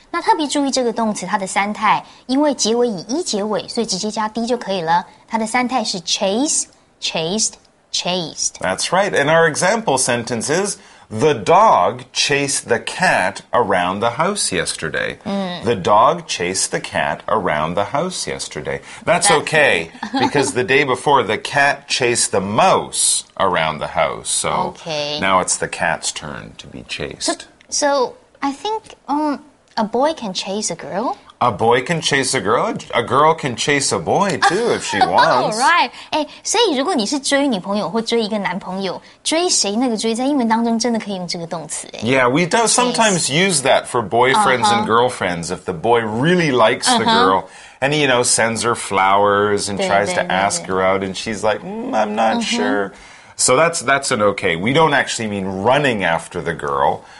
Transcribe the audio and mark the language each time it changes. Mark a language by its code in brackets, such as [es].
[zh] 那特别注意这个动词它的三态，因为结尾以一结尾，所以直接加 D 就可以了。它的三态是 chase, chased,Chased. [en] That's right. And our example sentence is, the dog chased the cat around the house yesterday. The dog chased the cat around the house yesterday. That's okay, because the day before, the cat chased the mouse around the house. So now it's the cat's turn to be chased. So I think a boy can chase a girl. A boy can chase a girl. A girl can chase a boy, too, if she wants. All right. [zh] 所以如果你是追女朋友或追一个男朋友，追谁那个追在英文当中真的可以用这个动词。 [en] Yeah, we do sometimes use that for boyfriends and girlfriends. If the boy really likes the girl, and, you know, sends her flowers and tries to ask her out, and she's like, I'm not sure. So that's an okay. We don't actually mean running after the girl.